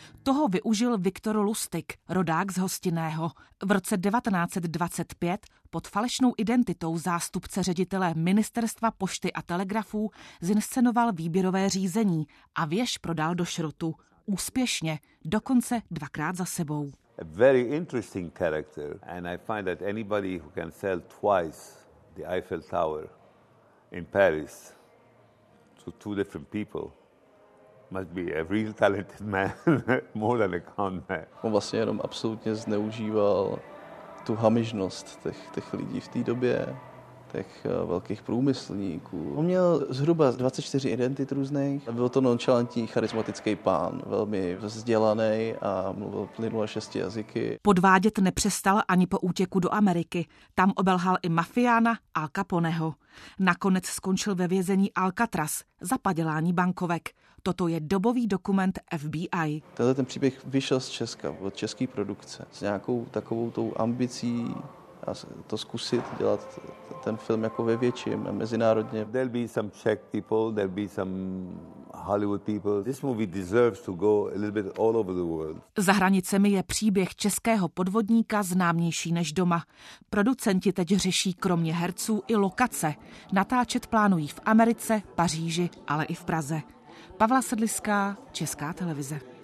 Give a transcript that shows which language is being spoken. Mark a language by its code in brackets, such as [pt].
[cs] Toho využil Viktor Lustig, rodák z Hostinného. V roce 1925 pod falešnou identitou zástupce ředitele Ministerstva pošty a telegrafů zinscenoval výběrové řízení a věž prodal do šrotu. Úspěšně, dokonce dvakrát za sebou. [en] A very interesting character, and I find that anybody who can sell twice the Eiffel Tower in Paris to two different people must be a really talented man, more than a con man. [cs] On vlastně jenom absolutně zneužíval tu hamižnost těch lidí v té době, těch velkých průmyslníků. On měl zhruba 24 identit různých. Byl to nonchalantní, charismatický pán, velmi vzdělaný a mluvil plynule 6 jazyky. Podvádět nepřestal ani po útěku do Ameriky. Tam obelhal i mafiána Al Caponeho. Nakonec skončil ve vězení Alcatraz za padělání bankovek. Toto je dobový dokument FBI. Tenhle ten příběh vyšel z Česka, od české produkce, s nějakou takovou tou ambicí a to zkusit dělat ten film jako ve větším a mezinárodně. [en] There'll be some Czech people, there'll be some Hollywood people. This movie deserves to go a little bit all over the world. [cs] Za hranicemi je příběh českého podvodníka známější než doma. Producenti teď řeší kromě herců i lokace. Natáčet plánují v Americe, Paříži, ale i v Praze. Pavla Sedliská, Česká televize.